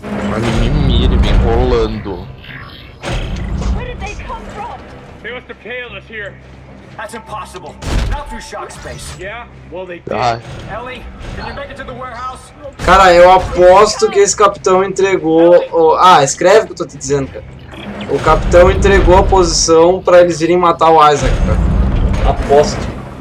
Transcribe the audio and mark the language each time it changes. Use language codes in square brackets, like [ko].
[pt] Mas ele me mira, ele vem rolando. Onde eles vieram? Eles querem nos pegar aqui. [en] That's impossible. Not through shock space. Yeah? Well, they did. Ellie, can you make it to the warehouse? [pt] Cara, eu aposto que esse capitão entregou... escreve o que eu tô te dizendo, cara. O capitão entregou a posição pra eles irem matar o Isaac, cara. Aposto.